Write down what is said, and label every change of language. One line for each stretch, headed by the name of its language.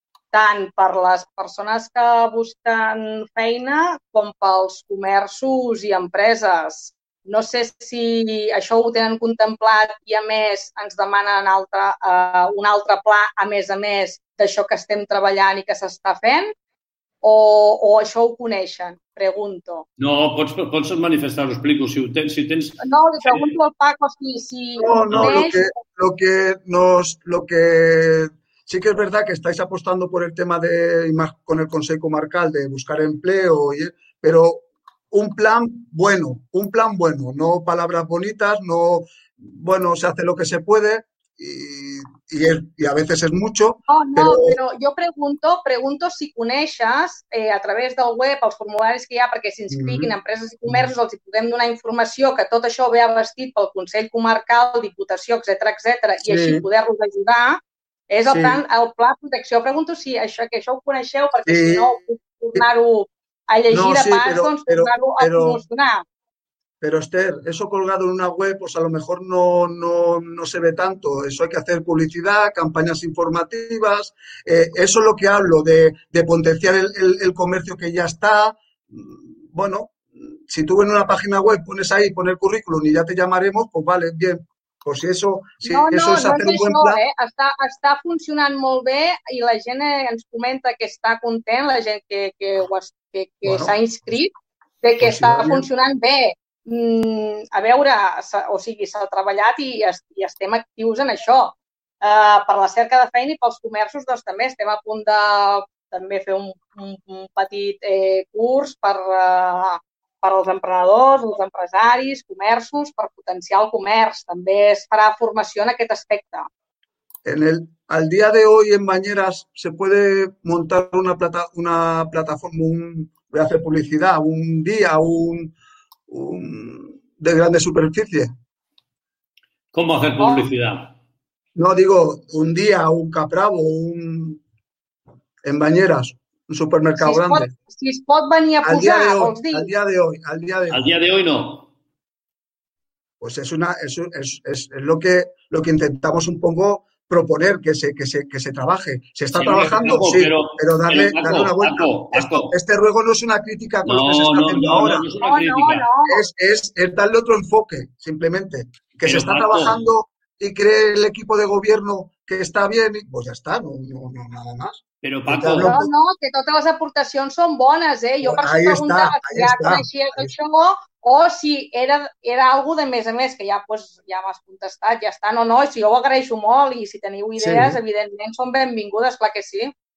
Catalan: Tant per les persones que busquen feina com pels comerços i empreses. No sé si això ho tenen contemplat i, a més, ens demanen un altre pla, a més d'això que estem treballant i que s'està fent, o això ho coneixen? Pregunto. No, pots manifestar, ho explico, si ho tens... No, li pregunto al Paco si ho coneix. Lo que...
Spanish: Sí que es verdad que estáis apostando por el tema de, con el Consejo Comarcal, de buscar empleo, pero un plan bueno, no palabras bonitas, no, bueno, se hace lo que se puede y a veces es mucho. Pero yo pregunto si
Catalan: coneixes a través del web els formularis que hi ha perquè s'inscriguin empreses i comerços, els podem donar informació que tot això ve vestit pel Consell Comarcal, Diputació, etcètera, sí. I així poder-los ajudar. És el, sí. Plan, el pla de protecció. Pregunto si això ho coneixeu, perquè sí. Si no, puc tornar-ho a llegir no, de sí, pas, però, doncs tornar-ho a promocionar.
Spanish: Pero Esther, eso colgado en una web, pues a lo mejor no se ve tanto. Eso hay que hacer publicidad, campañas informativas. Eso es lo que hablo, de potenciar el comercio que ya está. Bueno, si tú en una página web pones ahí, pones el currículum y ya te llamaremos, pues vale, bien. Pues si eso, si no, eso no, es hacer no un buen plan.
Catalan: Està funcionant molt bé i la gent ens comenta que està content, la gent que bueno, s'ha inscrit, de que està funcionant bé. A veure, o sigui, s'ha treballat i estem actius en això. Per la cerca de feina i pels comerços, doncs també estem a punt de també fer un petit curs per als emprenedors, els empresaris, comerços, per potenciar el comerç. També es farà formació en aquest aspecte.
Spanish: Al dia de hoy en Bañeras se puede montar una plataforma, voy a hacer publicidad, un día, un de grande superficie. ¿Cómo hacer publicidad? No, digo, un día un Capravo, en Banyeres, un supermercado grande.
Catalan: Si es pot venir a posar, vols dir?
Spanish: Al día de hoy no. Pues es lo que intentamos un poco proponer, que se trabaje. Se está trabajando, sí, pero darle una vuelta. Este ruego no es una crítica con lo que se está haciendo ahora. Es darle otro enfoque, simplemente. Que se está trabajando y cree el equipo de gobierno que está bien, pues ya está, no nada más. Pero Paco,
Catalan: no, que totes les aportacions són bones, eh? Jo per això preguntava si ja coneixies això o si era algú de més a més, que ja, pues, ja m'has contestat, ja està. No, si jo ho agraeixo molt i si teniu idees, sí, evidentment, són benvingudes, clar que sí.